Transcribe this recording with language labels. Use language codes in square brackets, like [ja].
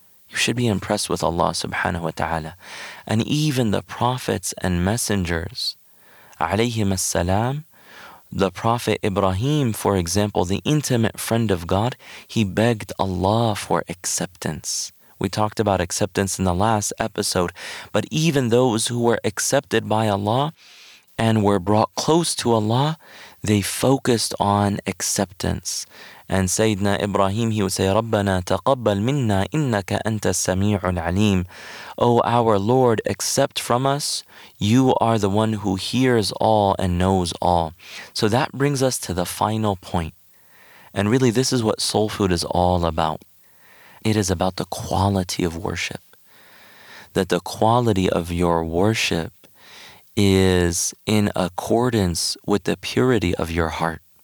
[en] You should be impressed with Allah subhanahu wa ta'ala. And even the prophets and messengers, alayhim as-salam, the Prophet Ibrahim, for example, the intimate friend of God, he begged Allah for acceptance. We talked about acceptance in the last episode, but even those who were accepted by Allah and were brought close to Allah, they focused on acceptance. And Sayyidina Ibrahim, he would say, [ar] رَبَّنَا تَقَبَّلْ مِنَّا إِنَّكَ أَنْتَ السَّمِيعُ الْعَلِيمُ. [en] O our Lord, accept from us, You are the one who hears all and knows all. So that brings us to the final point. And really, this is what soul food is all about. It is about the quality of worship. That the quality of your worship is in accordance with the purity of your heart.